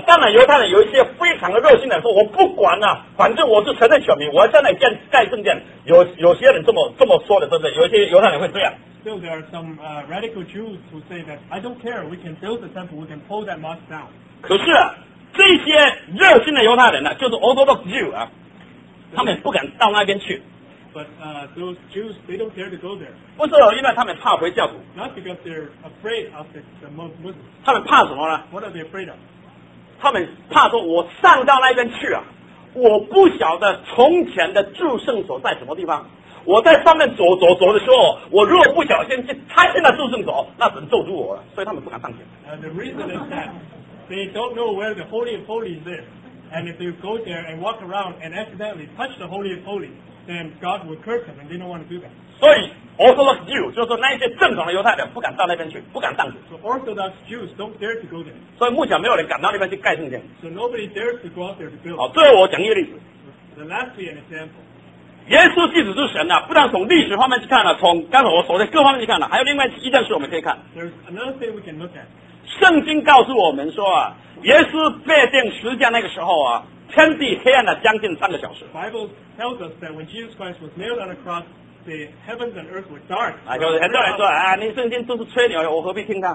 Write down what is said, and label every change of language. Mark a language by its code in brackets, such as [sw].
[zh] 当然，犹太人有一些非常的热心的说：“我不管了、啊，反正我是城内选民，我要在那里建盖圣殿。” 有些人这么说的，对不对？有些犹太人会这样。 [en] Still, there are some radical Jews who say that I don't care. We can build the temple. We can pull that mosque down. [zh] 可是、啊、这些热心的犹太人呢、啊，就是 Orthodox Jews 啊，他们不敢到那边去。 [en] Those Jews, they don't dare to go there. [zh] 不是因为他们怕回教徒。 [en] Not because they're afraid of the Muslims. [zh] 他们怕什么呢？ [en] What are they afraid of? [zh] 他们怕说我上到那边去啊，我不晓得从前的住圣所在什么地方。我在上面走的时候，我如果不小心去踏进了住圣所，那神咒诅我了，所以他们不敢上去。 [en] The reason is that they don't know where the Holy of Holies is. And if they go there and walk around and accidentally touch the Holy of Holies,And God will curse them, and they don't want to do that. [zh] 所以 Orthodox Jews 就是那些正统的犹太人不敢到那边去，不敢上去。 [en] So Orthodox Jews don't dare to go there. [zh] 所以目前没有人敢到那边去盖圣殿。 [en] So nobody dares to go out there to build. [zh] 好，最后我讲一个例子。 [en] The lastly an example. [zh] 耶稣基督是神呐、啊，不但从历史方面去看了、啊，从刚才我所在各方面去看了、啊，还有另外一件事我们可以看。 [en] There's another thing we can look at. [zh] 圣经告诉我们说啊，耶稣被钉十字架那个时候啊。天地黑暗了将近三个小时。 [en] Bible tells us that when Jesus Christ was nailed on a cross, the heavens and earth were dark. [zh] 啊，就是很多人说啊，你圣经都是吹牛，我何必听他